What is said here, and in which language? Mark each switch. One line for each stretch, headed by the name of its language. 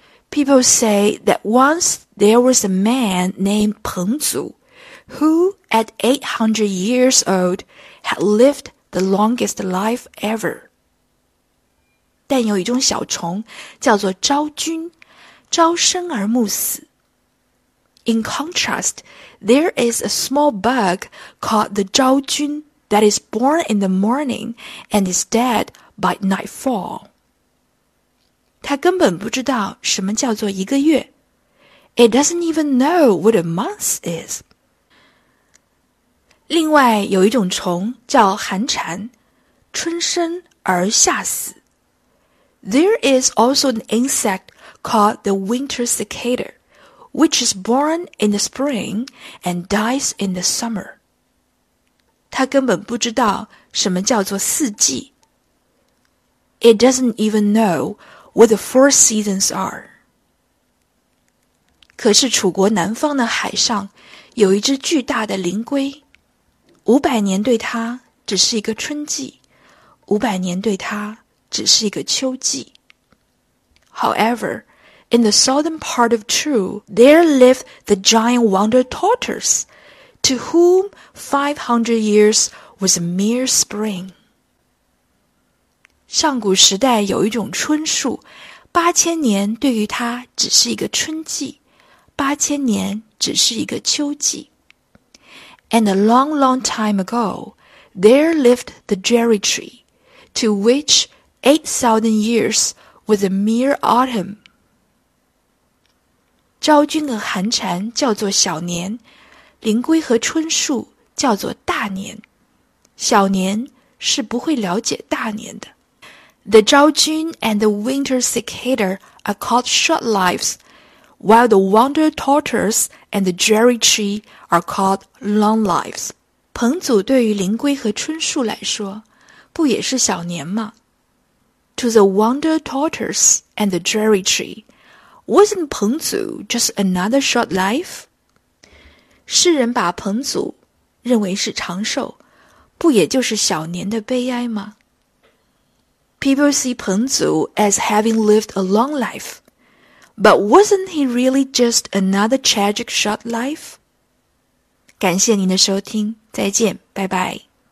English: People say that once there was a man named 彭祖, who at 800 years old had lived the longest life ever.
Chinese: 但有一种小虫叫做昭君，朝生而暮死。
English: In contrast, there is a small bug called the 昭君 that is born in the morning and is dead by nightfall.
Chinese: 他根本不知道什么叫做一个月。
English: It doesn't even know what a month is.
Chinese: 另外有一种虫叫寒蝉，春生而夏死。
English: There is also an insect called the winter cicada, which is born in the spring and dies in the summer.
Chinese: 他根本不知道什么叫做四季。
English: It doesn't even know what the four seasons are.
Chinese: 可是楚国南方的海上有一只巨大的灵龟，500年对它只是一个春季，500年对它只是一个秋季。
English: However, in the southern part of Chu, there lived the giant wonder tortoise, to whom 500 years was a mere spring.
Chinese: 上古时代有一种椿树，8000年对于它只是一个春季，8000年只是一个秋季。
English: And a long, long time ago, there lived the cherry tree, to which 8,000 years was a mere autumn.
Chinese: 昭君的寒蝉叫做小年，灵龟和春树叫做大年。小年是不会了解大年的。
English: The 昭君 and the winter cicada are called short lives, while the wonder tortoise and the cherry tree are called long lives.
Chinese: 彭祖对于灵龟和春树来说，不也是小年吗？
English: To the wonder tortoise and the cherry tree,Wasn't 彭祖 just another short life?
Chinese: 世人把彭祖认为是长寿，不也就是小年的悲哀吗？
English: People see 彭祖 as having lived a long life, but wasn't he really just another tragic short life?
Chinese: 感谢您的收听，再见，拜拜。